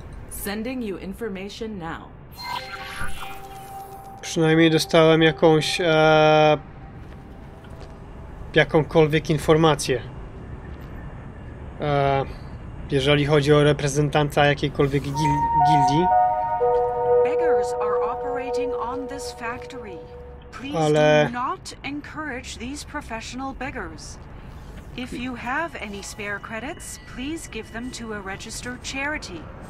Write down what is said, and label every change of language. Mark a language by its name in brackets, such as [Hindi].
[English] Sending you information now. [Polish] Przynajmniej dostałem jakąś jakąkolwiek informację. Jeżeli chodzi o reprezentanta jakiejkolwiek gildii. [English] Beggars are operating on this factory. Please [Polish] ale [English] do not encourage these professional beggars. If you have any spare credits, please give them to a registered charity.